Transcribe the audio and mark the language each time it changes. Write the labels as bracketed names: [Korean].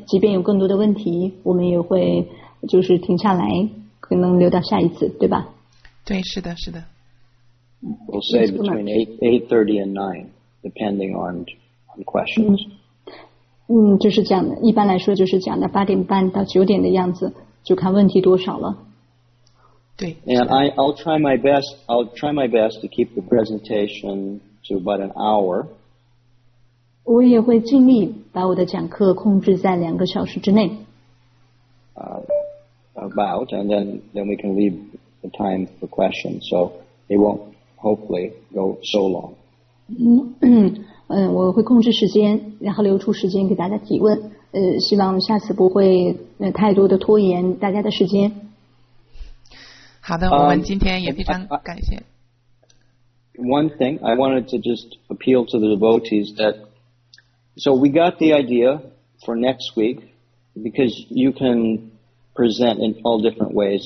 [Chinese] 即便有更多的问题，我们也会就是停下来，可能留到下一次，对吧？对，是的，是的。 [English] We'll say between 8:30 and 9, depending on questions. [Chinese] 就是讲的，一般来说就是讲的8:30 to 9:00的样子，就看问题多少了。对。 [English] And I'll try my best to keep the presentation to about an hour. [Chinese] 我也会尽力把我的讲课控制在2个小时之内。 [English] About, and then we can leave the time for questions, so it won't hopefully go so long. [Chinese] 我会控制时间，然后留出时间给大家提问。希望下次不会太多的拖延大家的时间。好的，我们今天也非常感谢。 [English] One thing, I wanted to just appeal to the devotees that, so we got the idea for next week, because you can present in all different ways.